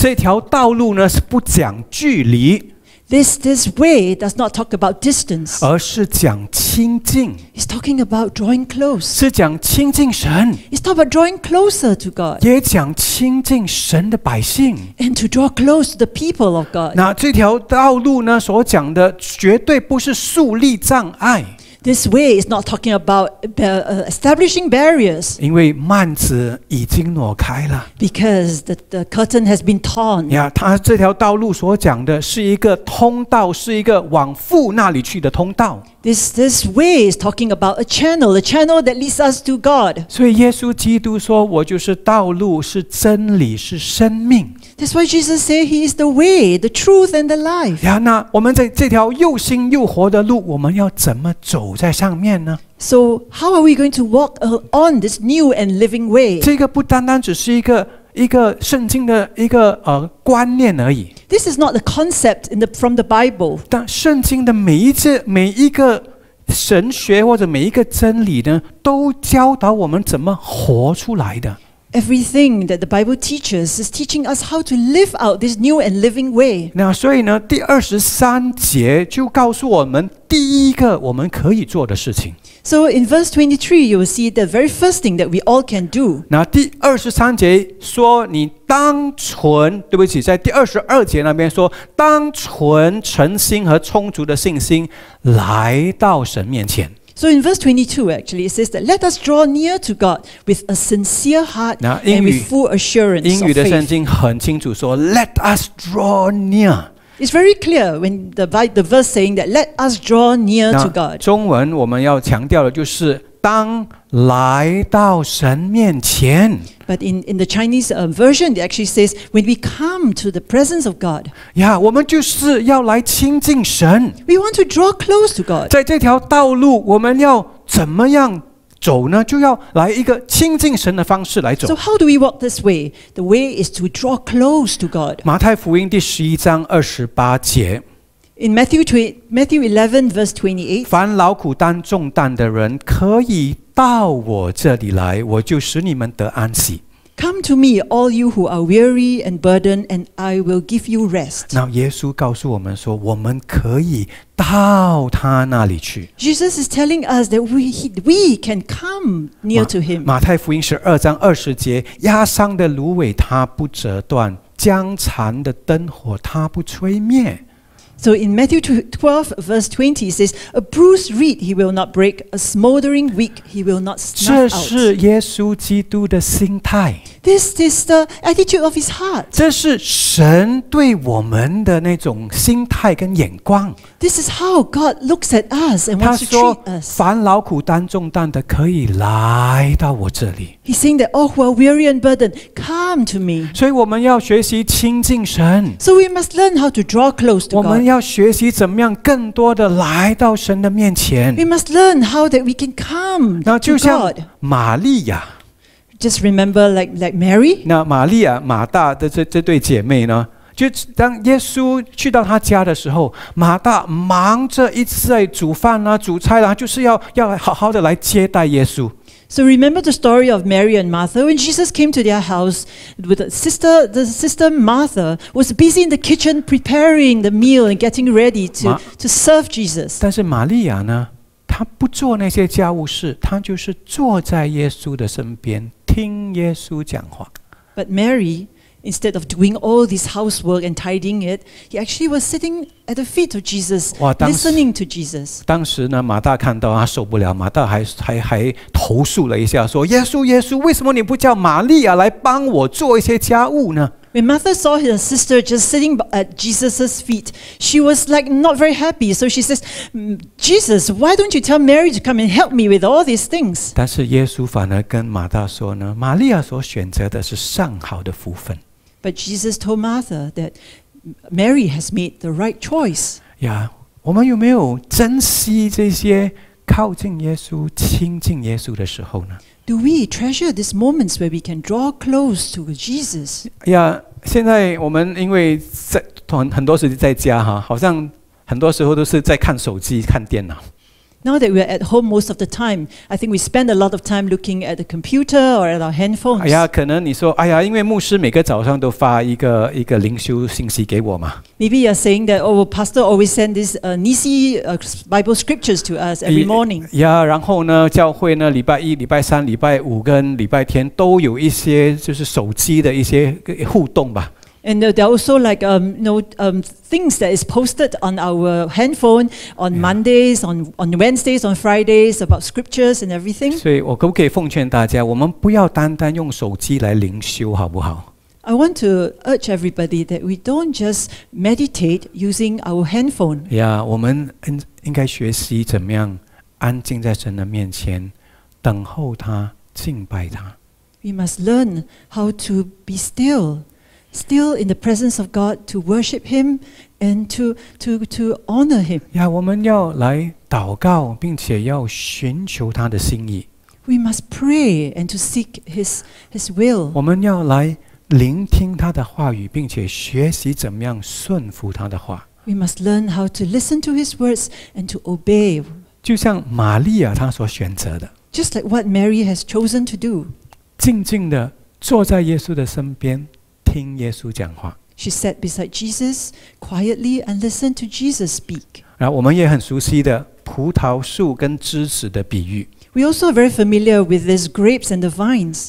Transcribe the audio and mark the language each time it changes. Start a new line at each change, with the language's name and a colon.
Chinese: 这条道路呢是不讲距离。
English: This way does not talk about distance.
Chinese: 而是讲亲近。
English: It's talking about drawing close.
Chinese: 是讲亲近神。
English: It's talking about drawing closer to God.
Chinese: 也讲亲近神的百姓。
English: And to draw close to the people of God.
Chinese: 那这条道路呢所讲的绝对不是树立障碍。
English: This way is not talking about establishing barriers.
Chinese: 因为幔子已经挪开了。
English: Because the curtain has been torn.
Chinese: 呀，他这条道路所讲的是一个通道，是一个往父那里去的通道。
English: This way is talking about a channel that leads us to God.
Chinese: 所以耶稣基督说，我就是道路，是真理，是生命。
English: That's why Jesus said He is the way, the truth, and the life.
Chinese: 呀，那我们在这条又新又活的路，我们要怎么走在上面呢？
English: So how are we going to walk on this new and living way?
Chinese: 这个不单单只是一个圣经的一个观念而已。
English: This is not a concept from the Bible.
Chinese: 但圣经的每一个神学或者每一个真理呢，都教导我们怎么活出来的。
English: Everything that the Bible teaches is teaching us how to live out this new and living way.
Chinese: 那所以呢，第二十三节就告诉我们第一个我们可以做的事情。
English: So in verse 23, you will see the very first thing that we all can do.
Chinese: 那第二十三节说你当存，对不起，在第二十二节那边说当存诚心和充足的信心来到神面前。
English: So in verse 22, actually, it says that let us draw near to God with a sincere heart and with full assurance of faith.
Chinese: 英语的圣经很清楚说
English: let us draw near. It's very clear when the verse saying that let us draw near to God.
Chinese: 中文我们要强调的就是当来到神面前。
English: But in the Chinese version, it actually says when we come to the presence of God.
Chinese: Yeah, 我们就是要来亲近神。
English: We want to draw close to God.
Chinese: 在这条道路，我们要怎么样走呢？就要来一个亲近神的方式来走。
English: So how do we walk this way? The way is to draw close to God.
Chinese: 马太福音第十一章二十八节。
English: In Matthew 11 verse 28,
Chinese: 凡劳苦担重担的人可以到我这里来，我就使你们得安息。
English: Come to me, all you who are weary and burdened, and I will give you rest.
Chinese: 那耶稣告诉我们说，我们可以到他那里去。
English: Jesus is telling us that we can come near to him.
Chinese: 马太福音十二章二十节，压伤的芦苇它不折断，将残的灯火它不吹灭。
English: So in Matthew 12 verse 20 it says, A bruised reed he will not break, a smoldering wick he will not snuff out.
Chinese: 这是耶稣基督的心态。
English: This is the attitude of his heart.
Chinese: 这是神对我们的那种心态跟眼光。
English: This is how God looks at us and wants to treat us.
Chinese: 凡劳苦担重担的可以来到我这里。
English: He's saying that all who are weary and burdened, come to me.
Chinese: 所以我们要学习亲近神。
English: So we must learn how to draw close to God.
Chinese: 我们要学习怎么样更多的来到神的面前。
English: We must learn how that we can come to God.
Chinese: 那就像玛利亚。
English: Just remember like Mary.
Chinese: 那玛利亚、马大的 这对姐妹呢？就当耶稣去到他家的时候，马大忙着一直在煮饭啊、煮菜啊，就是要好好的来接待耶稣。
English: So remember the story of Mary and Martha. When Jesus came to their house, with the sister Martha was busy in the kitchen preparing the meal and getting ready to serve Jesus.
Chinese: 但是玛利亚呢，她不做那些家务事，她就是坐在耶稣的身边听耶稣讲话。
English: But Mary, instead of doing all this housework and tidying it, he actually was sitting at the feet of Jesus, listening to Jesus.
Chinese: 当时呢，马大看到他受不了，马大还投诉了一下，说：“耶稣，耶稣，为什么你不叫玛利亚来帮我做一些家务呢？”
English: When Martha saw her sister just sitting at Jesus' feet, she was like not very happy. So she says, "Jesus, why don't you tell Mary to come and help me with all these things?"
Chinese: 但是耶稣反而跟马大说呢，玛利亚所选择的是上好的福分。
English: But Jesus told Martha that Mary has made the right choice.
Chinese: Yeah, 我们有没有珍惜这些靠近耶稣、亲近耶稣的时候呢？
English: Do we treasure these moments where we can draw close to Jesus?
Chinese: Yeah, 现在我们因为在很多时候在家哈，好像很多时候都是在看手机、看电脑。
English: Now that we are at home most of the time, I think we spend a lot of time looking at the computer or at our handphones.
Chinese: 哎呀，可能你说，哎呀，因为牧师每个早上都发一个灵修信息给我嘛。
English: Maybe you're saying that, oh, pastor always send these Nisi Bible scriptures to us every morning.
Chinese: 呀，然后呢，教会呢，礼拜一、礼拜三、礼拜五跟礼拜天都有一些就是手机的一些互动吧。
English: And there are also like things that is posted on our handphone on Mondays, on Wednesdays, on Fridays about scriptures and everything.
Chinese: 所以我可不可以奉劝大家，我们不要单单用手机来灵修，好不好？
English: I want to urge everybody that we don't just meditate using our handphone.
Chinese: Yeah, 我们应该学习怎么样安静在神的面前，等候他，敬拜他。
English: We must learn how to be still. Still in the presence of God to worship Him and to honor Him.
Chinese: Yeah, 我们要来祷告，并且要寻求他的心意。
English: We must pray and to seek His will.
Chinese: 我们要来聆听他的话语，并且学习怎么样顺服他的话。
English: We must learn how to listen to His words and to obey.
Chinese: 就像玛利亚她所选择的。
English: Just like what Mary has chosen to do.
Chinese: 静静地坐在耶稣的身边。听耶稣讲话。
English: She sat beside Jesus quietly and listened to Jesus speak.
Chinese: 然后我们也很熟悉的葡萄树跟枝子的比喻。
English: We also are very familiar with these grapes and the vines.